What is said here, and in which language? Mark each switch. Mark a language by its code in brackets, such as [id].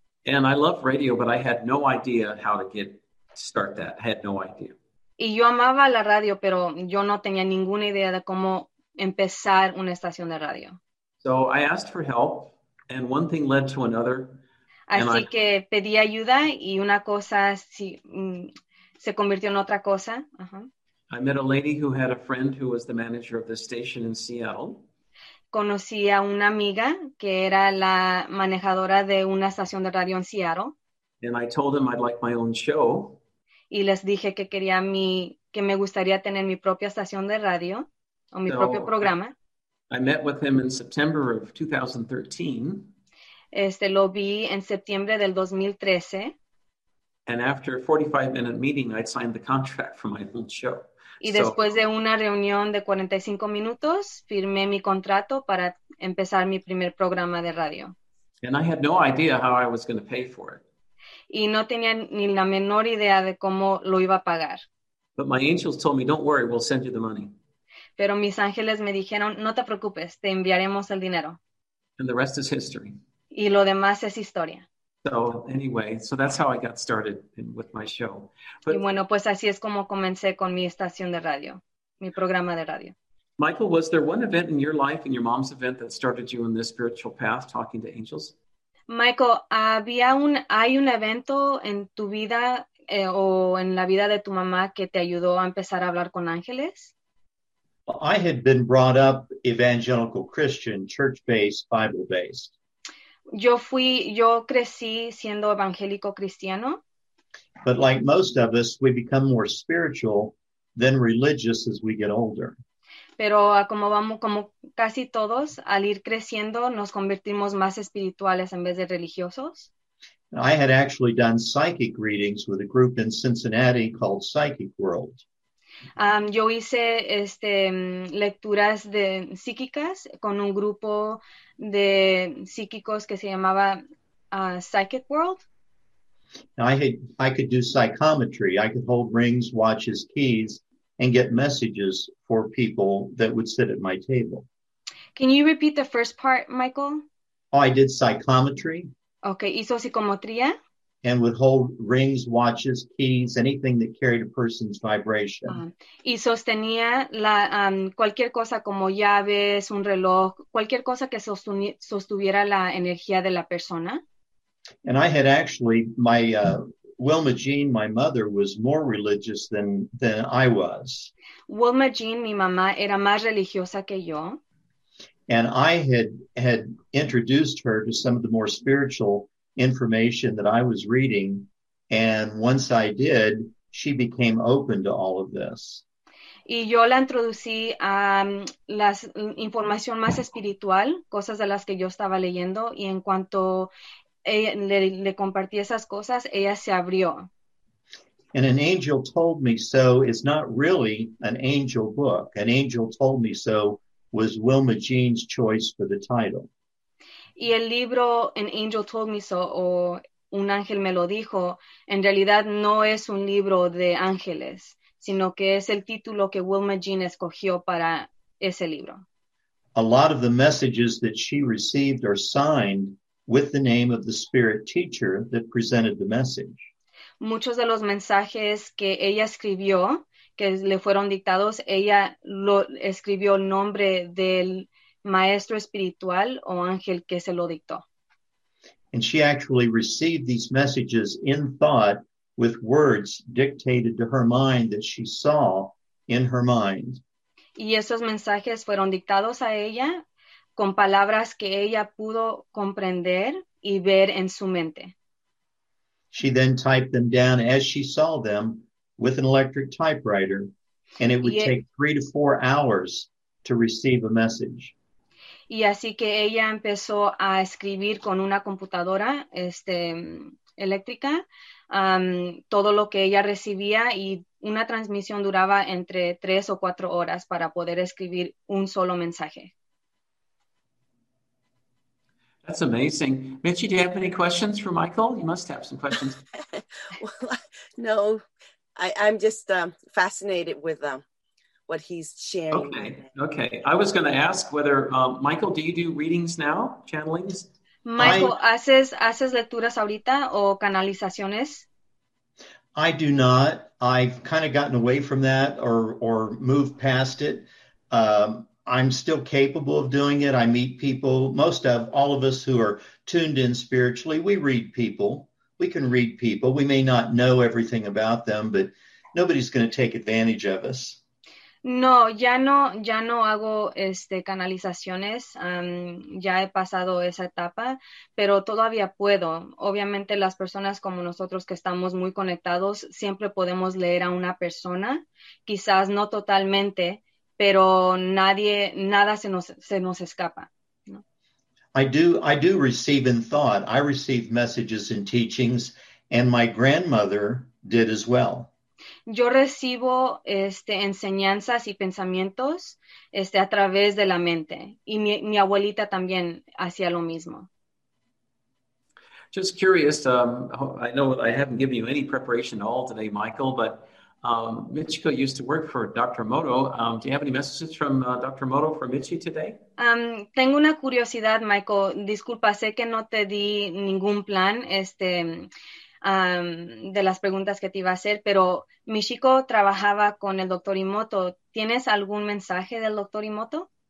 [en] And I love radio, but I had no idea how to start that. I had no idea. [es] Y yo amaba la radio, pero yo no tenía ninguna idea de cómo empezar una estación de radio. [en] So I asked for help, and one thing led to another. [es] Así que pedí ayuda, y una cosa se convirtió en otra cosa. Uh-huh. [en] I met a lady who had a friend who was the manager of the station in Seattle. [es] Conocí a una amiga que era la manejadora de una estación de radio en Seattle. [en] And I told him I'd like my own show. [es] y les dije que quería mi, que me gustaría tener mi propia estación de radio o mi propio programa. [en] I met with him in September of 2013. [es] Lo vi en septiembre del 2013. [en] And after a 45-minute meeting, I'd signed the contract for my own show. [es] Y después de una reunión de 45 minutos, firmé mi contrato para empezar mi primer programa de radio. [en] And I had no idea how I was going to pay for it. [es] Y no tenía ni la menor idea de cómo lo iba a pagar. [en] But my angels told me, don't worry, we'll send you the money. [es] Pero mis ángeles me dijeron, no te preocupes, te enviaremos el dinero. [en] And the rest is history. [es] Y lo demás es historia. [en] So anyway, so that's how I got started in, with my show. [es] But, y bueno, pues así es como comencé con mi estación de radio, mi programa de radio. [en] Michael, was there one event in your life, in your mom's event, that started you in this spiritual path, talking to angels? [es] Michael, hay un evento en tu vida o en la vida de tu mamá que te ayudó a empezar a hablar con ángeles? [en] I had been brought up evangelical Christian, church-based, Bible-based. [es] Yo crecí siendo evangélico cristiano. [en] But like most of us, we become more spiritual than religious as we get older. [es] Pero como vamos, como casi todos, al ir creciendo, nos convertimos más espirituales en vez de religiosos. [en] I had actually done psychic readings with a group in Cincinnati called Psychic World. [es] Yo hice lecturas de psíquicas con un grupo de psíquicos que se llamaba Psychic World. [en] Now I could do psychometry. I could hold rings, watches, keys, and get messages for people that would sit at my table. Can you repeat the first part, Michael? Oh, I did psychometry. [es] Okay, hizo psicometría. [en] And would hold rings, watches, keys, anything that carried a person's vibration. [es] Y sostenía la cualquier cosa como llaves, un reloj, cualquier cosa que sostuviera la energía de la persona. [en] And I had actually, my Wilma Jean, my mother, was more religious than I was. [es] Wilma Jean, mi mamá, era más religiosa que yo. [en] And I had introduced her to some of the more spiritual information that I was reading, and once I did, she became open to all of this. [es] Y yo la introducí a la información más espiritual, cosas de las que yo estaba leyendo, y en cuanto le compartí esas cosas, ella se abrió. [en] And an angel told me so is not really an angel book. An angel told me so was Wilma Jean's choice for the title. [es] Y el libro An Angel Told Me So, o Un Ángel Me Lo Dijo, en realidad no es un libro de ángeles, sino que es el título que Wilma Jean escogió para ese libro. [en] A lot of the messages that she received are signed with the name of the spirit teacher that presented the message. [es] Muchos de los mensajes que ella escribió, que le fueron dictados, ella lo escribió el nombre del maestro espiritual o ángel que se lo dictó. [en] And she actually received these messages in thought with words dictated to her mind that she saw in her mind. [es] Y esos mensajes fueron dictados a ella con palabras que ella pudo comprender y ver en su mente. [en] She then typed them down as she saw them with an electric typewriter, and it would take 3 to 4 hours to receive a message. [es] Y así que ella empezó a escribir con una computadora eléctrica todo lo que ella recibía, y una transmisión duraba entre 3 o 4 horas para poder escribir un solo mensaje. [en] That's amazing. Mitchie, do you have any questions for Michael? You must have some questions. Well, no, I'm just fascinated with them. What he's sharing. Okay. I was going to ask whether, Michael, do you do readings now, channelings? [es] Michael, ¿haces lecturas ahorita o canalizaciones? [en] I do not. I've kind of gotten away from that or moved past it. I'm still capable of doing it. I meet people. All of us who are tuned in spiritually, we read people. We can read people. We may not know everything about them, but nobody's going to take advantage of us. [es] No, ya no hago canalizaciones, ya he pasado esa etapa, pero todavía puedo. Obviamente las personas como nosotros que estamos muy conectados, siempre podemos leer a una persona, quizás no totalmente, pero nada se nos escapa. [en] I do receive in thought. I receive messages and teachings, and my grandmother did as well. [es] Yo recibo enseñanzas y pensamientos a través de la mente, y mi abuelita también hacía lo mismo. [en] Just curious, I know I haven't given you any preparation at all today, Michael, but Michiko used to work for Dr. Moto. Do you have any messages from Dr. Moto for Michi today? [es] Tengo una curiosidad, Michael. Disculpa, sé que no te di ningún plan, de las preguntas que te iba a hacer, pero Michiko trabajaba con el doctor Imoto. ¿Tienes algún mensaje del doctor Imoto?